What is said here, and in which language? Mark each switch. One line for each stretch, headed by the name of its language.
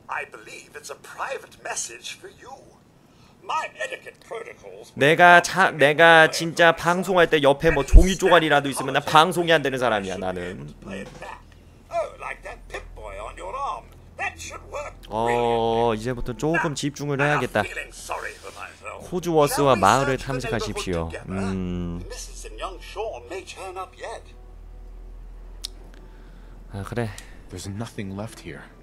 English: I believe it's a private message for you. My etiquette protocols.
Korean: 내가 진짜 방송할 때 옆에 뭐 종이 조각이라도 있으면 나 방송이 안 되는 사람이야, 나는.
English: Oh, like that pit boy on your arm. That should work.
Korean: 이제부터 조금 집중을 해야겠다. 호즈워스와 마을을 탐색하십시오.
English: Mrs. and young Sean may turn up yet.
Korean: 아, 그래.
English: There's nothing left here.